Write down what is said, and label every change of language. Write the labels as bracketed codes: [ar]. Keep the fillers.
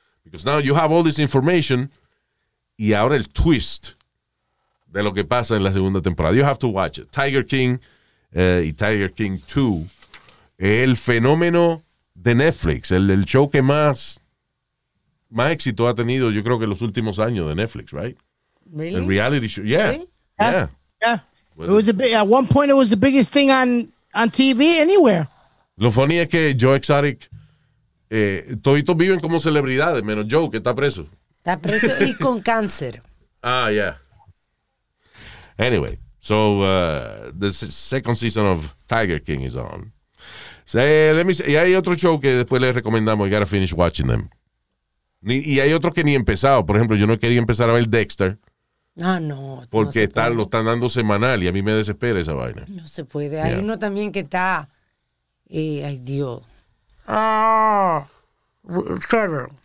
[en] Because now you have all this information [es] y ahora el twist de lo que pasa en la segunda temporada. [en] You have to watch it. [es] Tiger King eh, y Tiger King 2 es el fenómeno de Netflix, el, el show que más, más éxito ha tenido, yo creo que en los últimos años de Netflix, [en] right? Really? [es] El reality show. [en] Yeah. [es] Sí. [en] Yeah. Yeah. Well- it was the big, at one point it was the biggest thing on on TV anywhere. [es] Lo funny es que Joe Exotic, eh, toditos viven como celebridades, menos Joe, que está preso. Está preso y con cáncer. [en] Ah, yeah. Anyway, so uh, the s- second season of Tiger King is on. So, eh, let me see. [es] Y hay otro show que después les recomendamos. [en] You gotta finish watching them. [es] Ni- y hay otros que ni he empezado. Por ejemplo, yo no quería empezar a ver Dexter Ah, no. no porque se está- puede. lo están dando semanal y a mí me desespera esa vaina. No se puede. Hay [en] Yeah. [es] uno también que está. eh, ay, Dios. Ah. Trevor.